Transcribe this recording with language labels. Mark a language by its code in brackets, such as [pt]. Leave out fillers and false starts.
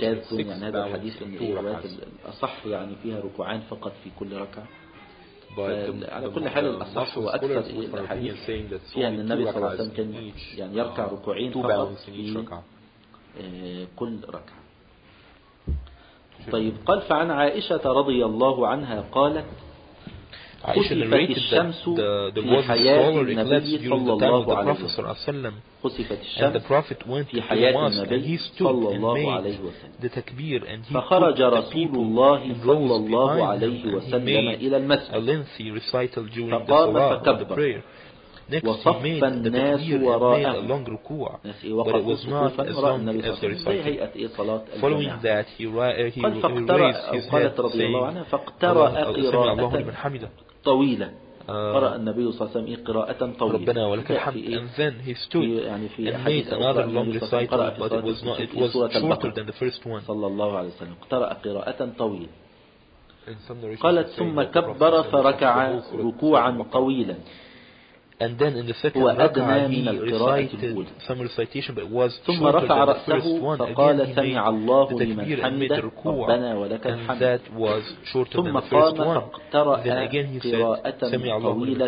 [ar] شاذ يعني هذا الحديث إن الروايات الأصح يعني فيها ركوعان فقط في كل ركعة على كل حال الأصح هو أكثر الحديث فيها أن النبي صلى الله عليه وسلم يعني يركع ركوعين فقط في كل ركعة طيب قال فعن عائشة رضي الله عنها قالت [en] Aisha narrated that the was a solar eclipse during the time of the Prophet ﷺ, and the Prophet went to the mosque and he stood and made the takbir, and he put the people in rows behind him, and he made a lengthy recital during the salah of the prayer. Next he made the takbir and made a long ruku'ah, but it was not as long as the recital. Following that, he raised his head saying, [ar] أَسْمِعَ اللَّهُ لِمَنْ حَمِدَهُ طويلة. قرأ النبي صلى الله عليه وسلم قراءة طويلة. ربنا ولك الحمد. [en] And then he stood and made another long recital, but it was shorter than the first one. [ar] صلى الله عليه وسلم قرأ قراءة طويلة. قالت ثم كبر فركع ركوعا طويلا. [en] And then in the second raka'ah he recited some recitation, but it was shorter than the first one. Again he made the takbir and made the ruku'ah, and that was shorter than the first one. Then again he said, [ar] سمع الله لمن